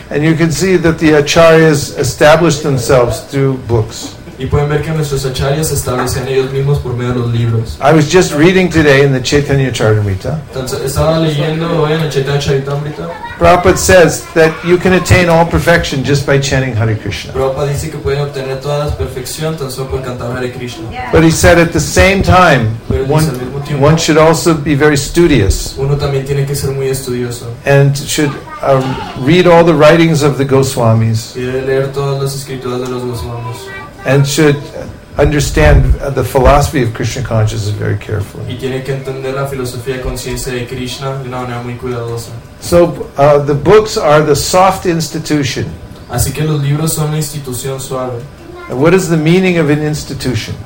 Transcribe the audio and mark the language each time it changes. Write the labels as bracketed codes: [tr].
[en] And you can see that the Acharyas established themselves through books. [es] Y pueden ver que nuestros acharyas se establecen ellos mismos por medio de los libros. [en] I was just reading today in the Chaitanya Charitamrita. [es] Estaba leyendo hoy en el Chaitanya Charitamrita. [en] Prabhupada says that you can attain all perfection just by chanting Hare Krishna. [es] Prabhupada dice que pueden obtener toda la perfección tan solo por cantar Hare Krishna. [en] But he said at the same time, one should also be very studious. [es] Uno también tiene que ser muy estudioso. [en] And should read all the writings of the Goswamis. [es] Y debe leer todas las escrituras de los Goswamis. [en] And should understand the philosophy of Krishna consciousness very carefully. [es] Y tiene que entender la filosofía de conciencia de Krishna de una manera muy cuidadosa. [en] So the books are the soft institution. [es] Así que los libros son una institución suave. [en] And what is the meaning of an institution?